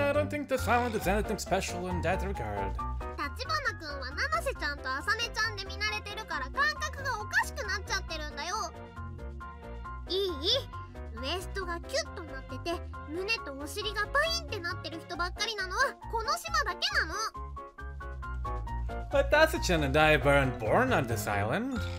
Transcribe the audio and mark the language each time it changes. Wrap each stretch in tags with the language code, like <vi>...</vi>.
<en>I don't think the island is anything special in that regard.</en> <ja>橘君は七瀬ちゃんと朝音ちゃんで見慣れてるから感覚がおかしくなっちゃってるんだよ。いい？ウエストがキュッとなってて胸とお尻がパインってなってる人ばっかりなのはこの島だけなの。</ja> <en>But Asuchan and I weren't born on this island.</en>